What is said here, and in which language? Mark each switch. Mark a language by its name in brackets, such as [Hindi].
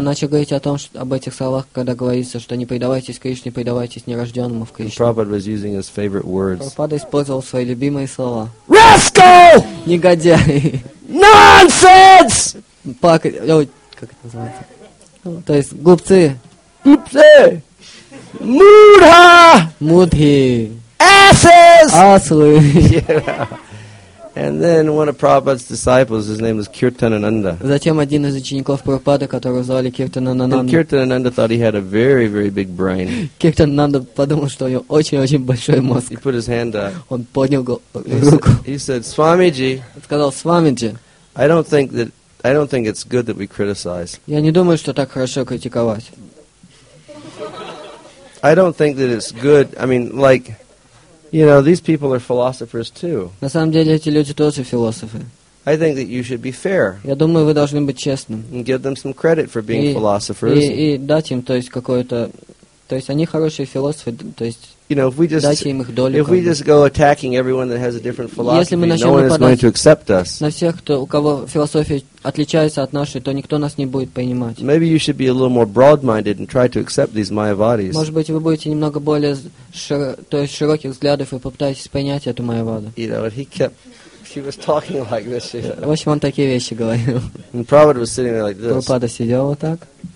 [Russian] Он начал говорить о том, об этих словах, когда говорится, что не предавайтесь Кришне, предавайтесь нерожденному в Кришне. [English] And Prabhupada was using his favorite words. [Russian] Прабхупада использовал свои любимые слова. [English] Rascal! [Russian] Негодяй! [English] Nonsense! [Russian] Как это называется? То есть глупцы. Глупцы! Мудха! Мудхи! [English] Асес! [Russian] Аслы! [English] And then one of Prabhupada's disciples, his name was Kirtanananda. [Russian] Затем один из учеников Прабхупады, которого звали Киртанананда. [English] And Kirtanananda thought he had a very, very big brain. [Russian] Киртанананда подумал, что у него очень-очень большой мозг. [English] He put his hand up. [Russian] Он поднял руку. [English] He said, Swamiji. [Russian] Сказал, Свамиджи. [English] I don't think it's good that we criticize. [Russian] Я не думаю, что так хорошо критиковать. [English] I don't think that it's good. I mean, like, you know, these people are philosophers too. [Russian] На самом деле эти люди тоже философы. [English] I think that you should be fair. [Russian] Я думаю, вы должны быть честным. [English] And give them some credit for being philosophers. [Russian] И дать им, то есть, какое-то, то есть, они хорошие философы, то есть. [English] You know, if we just go attacking everyone that has a different philosophy, no one is going to accept us. [Russian] На всех, кто у кого философия отличается от нашей, то никто нас не будет понимать. [English] Maybe you should be a little more broad-minded and try to accept these Mayavadis. [Russian] Может быть, вы будете немного более широких взглядов и попытаетесь понять эту Mayavadu. [English] You know, she was talking like this. [Russian] В общем, он такие вещи говорил. [English] And Prabhupada was sitting there like this. [Russian] Прабхупада сидел вот так.